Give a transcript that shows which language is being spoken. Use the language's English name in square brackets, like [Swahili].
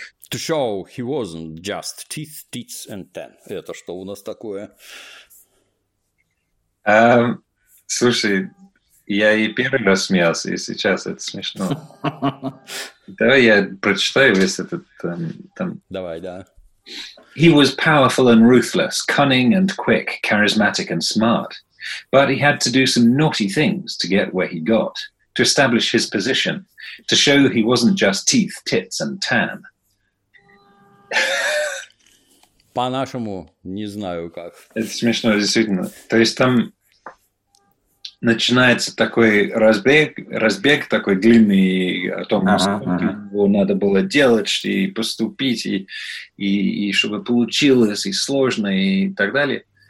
[English] To show he wasn't just teeth, tits and ten. [Russian] Это что у нас такое? Слушай, я и первый раз смеялся, и сейчас это смешно. Давай я прочитаю весь этот... Давай, да. [English] He was powerful and ruthless, cunning and quick, charismatic and smart. But he had to do some naughty things to get where he got, to establish his position, to show he wasn't just teeth, tits and tan. [Russian] По-нашему не знаю как. Это смешно, действительно. То есть там... Начинается такой разбег такой длинный о том, что надо было делать и поступить, и чтобы получилось, и сложно, и так далее.